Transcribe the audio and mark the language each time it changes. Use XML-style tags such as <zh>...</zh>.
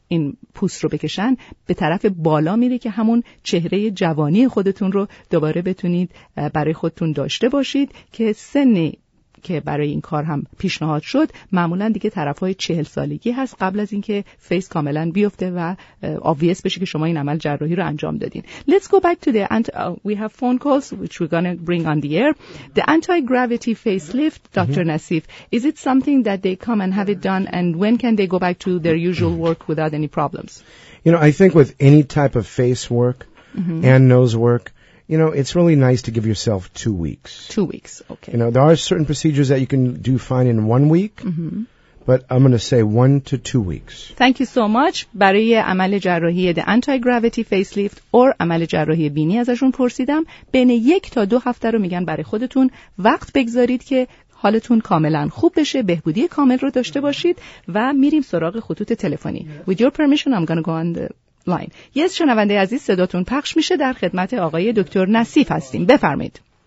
<fa>این پوست رو بکشن به طرف بالا میره که همون چهره جوانی خودتون رو دوباره بتونید برای خودتون داشته باشید، که سنی که برای این کار هم پیشنهاد شد معمولا دیگه طرفای 40 سالگی هست، قبل از اینکه فیس کاملا بیفته و obvious بشه که شما این عمل جراحی رو انجام دادین.</fa> <en>Let's go back to the we have phone calls which we're going to bring on the air. The anti-gravity facelift, Dr. Nassif, is it something that they come and have it done, and when can they go back to their usual work without any problems? You know, I think with any type of face work and nose work, you know, it's really nice to give yourself 2 weeks. 2 weeks, okay. You know, there are certain procedures that you can do fine in 1 week, but I'm going to say 1 to 2 weeks. Thank you so much.</en> <fa>برای عمل جراحی</fa> <en>the anti-gravity facelift or</en> <fa>عمل جراحی بینی ازشون پرسیدم، بین 1 تا 2 هفته رو میگن برای خودتون وقت بگذارید که حالتون کاملا خوب بشه، بهبودی کامل رو داشته باشید، و میریم سراغ خطوط تلفنی.</fa> <en>With your permission, I'm going to go on the line.</en> <fa>Yes, شنونده عزیز، صداتون پخش میشه، در خدمت آقای دکتر نصیف هستیم، بفرمید.</fa>